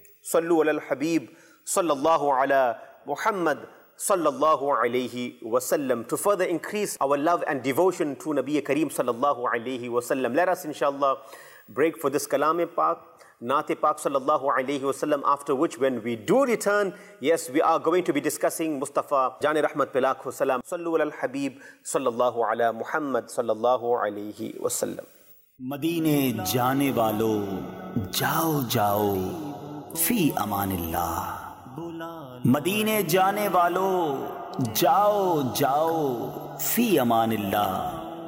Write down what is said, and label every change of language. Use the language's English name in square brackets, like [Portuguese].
[Arabic] صلو علی الحبیب صلی اللہ علی محمد صلی اللہ علیہ وسلم. [English] To further increase our love and devotion to نبی کریم صلی اللہ علیہ وسلم, let us inshallah break for this کلام پاک, نعت پاک صلی اللہ علیہ وسلم, after which when we do return, yes, we are going to be discussing [Urdu] مصطفیٰ جان رحمت پہ لاکھ وسلم. [Arabic] صلو علی الحبیب صلی اللہ علی محمد صلی اللہ علیہ وسلم. [Urdu] مدینے جانے والو, جاؤ جاؤ فی امان اللہ. مدینے جانے والو, جاؤ جاؤ فی امان اللہ.